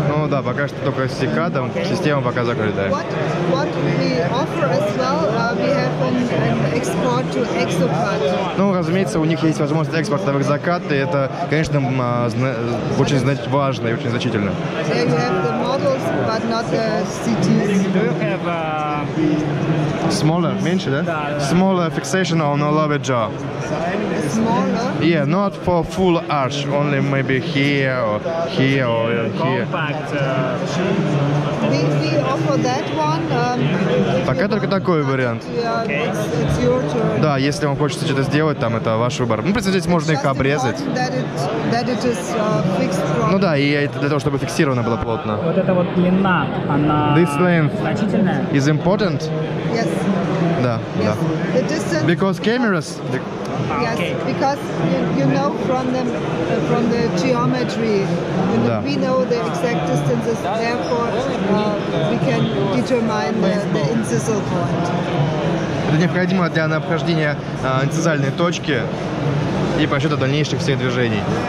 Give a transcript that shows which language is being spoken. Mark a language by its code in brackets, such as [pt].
[ru] Да, пока что только с CICAT-ом, система пока закрыта. [en] What we offer as well, we have an export to Exocad. [ru] Разумеется, у них есть возможность экспорта в Exocad, и это, конечно, очень важно и очень значительно. [en] They have the models, but not the CTs. Do you have smaller, [ru] меньше, да? [en] Smaller fixation on a lower jaw. Smaller? Yeah, not for full arch, only maybe here or here or here. Compact. We offer that one. [ru] Пока только такой вариант. [en] Okay. [ru] Да, если вам хочется что-то сделать, там это ваш выбор. Здесь можно их обрезать. И для того, чтобы фиксировано было плотно. Вот эта вот длина, она значительная. [en] Is important? Yes. [ru] Да, [en] yes. [ru] Да. [en] Because cameras... Yes. Okay. because you know from the geometry, we know the exact distances, therefore we can determine the incisal point. [ru] Это необходимо для обхождения инцизальной точки и подсчета дальнейших всех движений.